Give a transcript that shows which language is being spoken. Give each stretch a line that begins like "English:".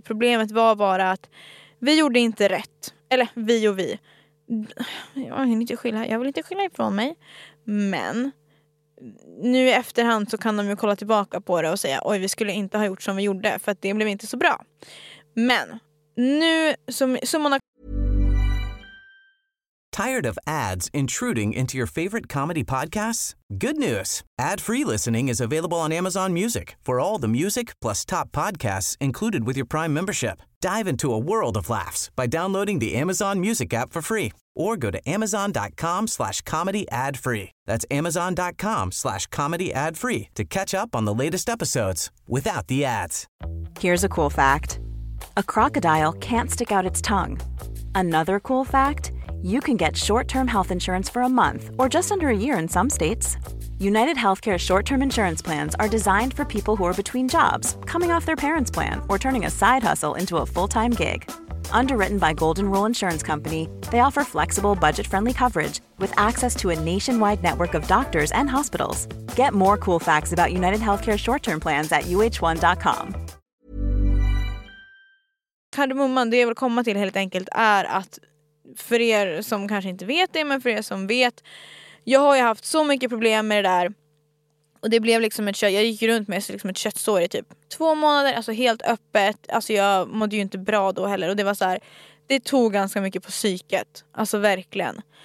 Swedish: Problemet var bara att vi gjorde inte rätt. Eller vi och vi. Jag vill inte skilja ifrån mig. Men nu i efterhand så kan de ju kolla tillbaka på det och säga, oj, vi skulle inte ha gjort som vi gjorde, för att det blev inte så bra. Men nu som man har...
English: Tired of ads intruding into your favorite comedy podcasts? Good news! Ad-free listening is available on Amazon Music for all the music plus top podcasts included with your Prime membership. Dive into a world of laughs by downloading the Amazon Music app for free. Or go to amazon.com/comedyadfree. That's amazon.com/comedyadfree to catch up on the latest episodes without the ads. Here's a cool fact. A crocodile can't stick out its tongue. Another cool fact... You can get short-term health insurance for a month or just under a year in some states. UnitedHealthcare short-term insurance plans are designed for people who are between jobs, coming off their parents' plan, or turning a side hustle into a full-time gig. Underwritten by Golden Rule Insurance Company, they offer flexible, budget-friendly coverage with access to a nationwide network of doctors and hospitals. Get more cool facts about UnitedHealthcare short-term plans at uh1.com.
Swedish: Kardemumman, det jag vill komma till helt enkelt är att, för er som kanske inte vet det, men för er som vet, jag har ju haft så mycket problem med det där. Och det blev liksom ett kött, jag gick runt med liksom ett köttsår i typ 2 månader, alltså helt öppet. Alltså jag mådde ju inte bra då heller, och det var så här, det tog ganska mycket på psyket, alltså verkligen.